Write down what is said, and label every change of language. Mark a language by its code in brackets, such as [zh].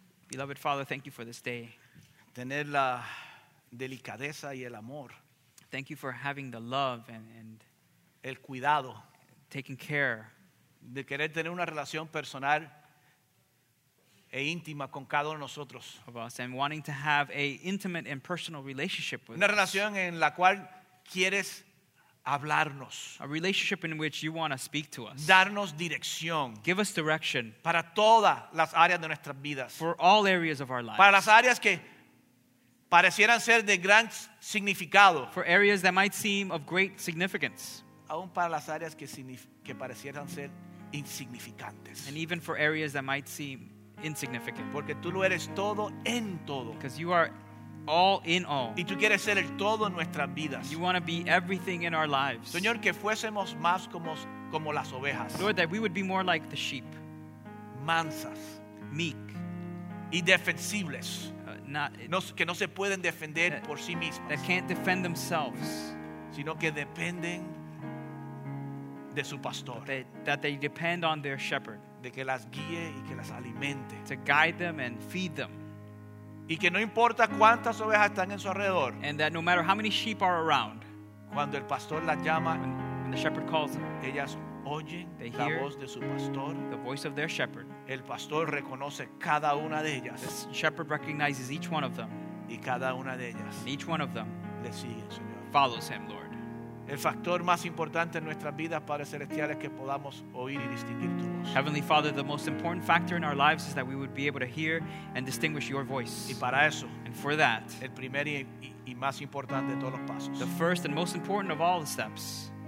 [en] beloved Father, thank you for this day. [es] Tener la delicadeza y el amor. [en] Thank you for having the love and [es] el cuidado, [en] taking care, [es] de querer tener una relación personal e íntima con cada uno de nosotros. [en] Of us and wanting to have a intimate and personal relationship with [es] una relación [en] us. [es] En la cual quieres hablarnos. [en] A relationship in which you want to speak to us. [es] Darnos dirección. [en] Give us direction. [es] Para todas las áreas de nuestras vidas. [en] For all areas of our lives. [es] Para las áreas que parecieran ser de gran significado. [en] For areas that might seem of great significance. [es] Aún para las áreas que parecieran ser insignificantes. [en] And even for areas that might seem insignificant. [es] Porque tú lo eres todo en todo. [en] Because you are all in all. [es] Y tú quieres ser el todo en nuestras vidas. [en] You want to be everything in our lives. [es] Señor, que fuésemos más como las ovejas. [en] Lord, that we would be more like the sheep. [es] Mansas. [en] Meek. [es] Y defensibles. Que no se pueden defender por sí mismas. [en] That can't defend themselves. [es] Sino que dependen de su pastor. [en] That they depend on their shepherd. [es] De que las guíe y que las alimente. [en] To guide them and feed them. [es] Y que no importa cuántas ovejas están en su alrededor. [en] And that no matter how many sheep are around. [es] Cuando el pastor las llama, [en] when the shepherd calls them, [es] ellas oyen la voz de su pastor. [en] The voice of their shepherd. [es] El pastor reconoce cada una de ellas. [en] The shepherd recognizes each one of them. [es] Y cada una de ellas. [en] And each one of them. [es] Le sigue, Señor. [en] Follows him, Lord. [es] El factor más importante en nuestras vidas, Padre Celestial, es que podamos oír y distinguir tu voz. [en] Heavenly Father, the most important factor in our lives is that we would be able to hear and distinguish your voice. [es] Y para eso, [en] and for that, [es] el primer y más importante de todos los pasos, [en] the first and most important of all the steps,